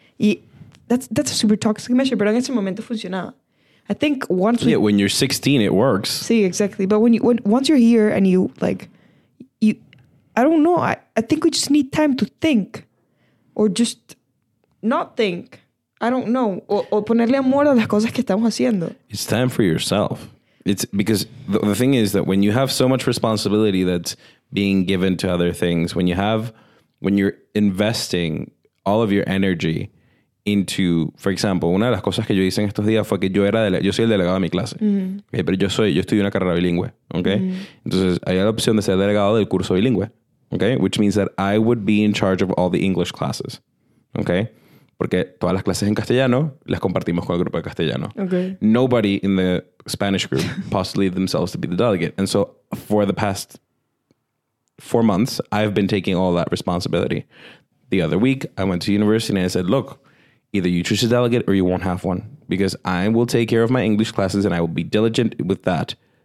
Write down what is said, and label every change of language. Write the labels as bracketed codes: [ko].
[en] Y that's a super toxic measure, [es] pero en ese momento funcionaba. [en] I think once when you're 16 it works. [es] Sí, [en] exactly. But once you're here and you like you I don't know. I think we just need time to think or just not think. I don't know. [es] O ponerle amor a las cosas que estamos haciendo. [en] It's time for yourself. It's because the thing is that when you have so much responsibility that's being given to other things, when you're investing all of your energy into, for example, [es] una de las cosas que yo hice en estos días fue que yo soy el delegado de mi clase. [en] Mm-hmm. [es] Okay, pero yo estudié una carrera bilingüe. Okay? Mm-hmm. Entonces, hay la opción de ser delegado del curso bilingüe. [en] Okay, which means that I would be in charge of all the English classes. [es] Okay, porque todas las clases en castellano las compartimos con el grupo de castellano. [en] Okay, nobody in the Spanish group postulated themselves to be the delegate, and so for the past 4 months, I've been taking all that responsibility. The other week, I went to university and I said, "Look, either you choose a delegate or you won't have one, because I will take care of my English classes and I will be diligent with that.